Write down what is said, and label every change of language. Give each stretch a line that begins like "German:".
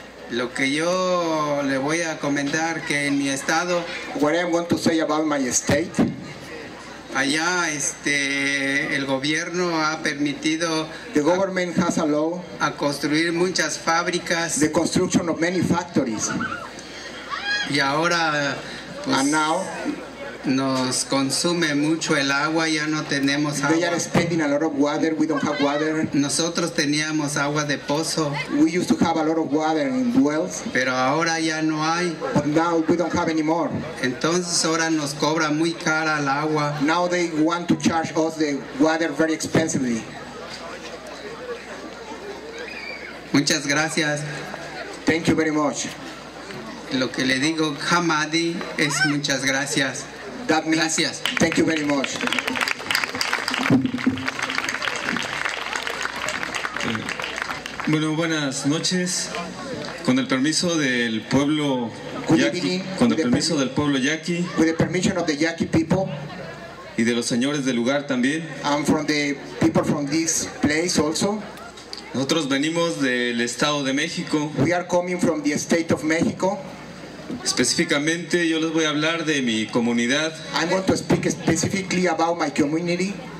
Spanish: Lo que yo le voy a comentar, que en mi estado,
English: what I want to say about my state,
Spanish: allá el gobierno ha permitido,
English: the government has allowed,
Spanish: a construir muchas fábricas,
English: the construction of many factories,
Spanish: y ahora
English: pues, and now
Spanish: nos consume mucho el agua, ya no tenemos agua.
English: They are spending a lot of water, we don't have water.
Spanish: Nosotros teníamos agua de pozo.
English: We used to have a lot of water in wells.
Spanish: Pero ahora ya no hay.
English: But now we don't have any more.
Spanish: Entonces ahora nos cobra muy cara el agua.
English: Now they want to charge us the water very expensively.
Spanish: Muchas gracias.
English: Thank you very much.
Spanish: Lo que le digo, Hamadi, es muchas gracias.
English: That means,
Spanish: gracias.
English: Thank you very much.
Spanish: Bueno, buenas noches. Con el permiso del pueblo Yaqui, con el permiso del pueblo Yaqui,
English: with the permission of the Yaqui people,
Spanish: y de los señores del lugar también,
English: and from the people from this place also.
Spanish: Nosotros venimos del Estado de México.
English: We are coming from the state of Mexico.
Spanish: Específicamente, yo les voy a hablar de mi comunidad.
English: I'm going to speak specifically about my community,